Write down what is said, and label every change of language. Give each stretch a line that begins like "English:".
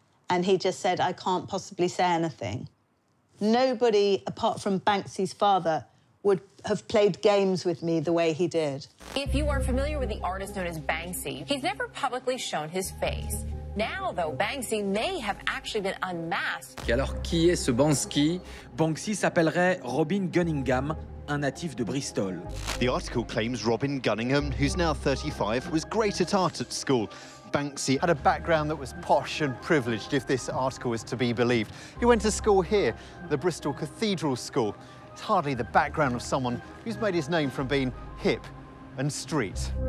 English: And he just said, "I can't possibly say anything." Nobody apart from Banksy's father would have played games with me the way he did. If you are familiar with the artist known as Banksy, he's never publicly shown his face. Now, though, Banksy may have actually been unmasked.
French: Alors, qui est ce Banksy? Banksy s'appellerait Robin Gunningham, un natif de Bristol.
English: The article claims Robin Gunningham, who's now 35, was great at art at school. Banksy had a background that was posh and privileged, if this article is to be believed. He went to school here, the Bristol Cathedral School. It's hardly the background of someone who's made his name from being hip and street.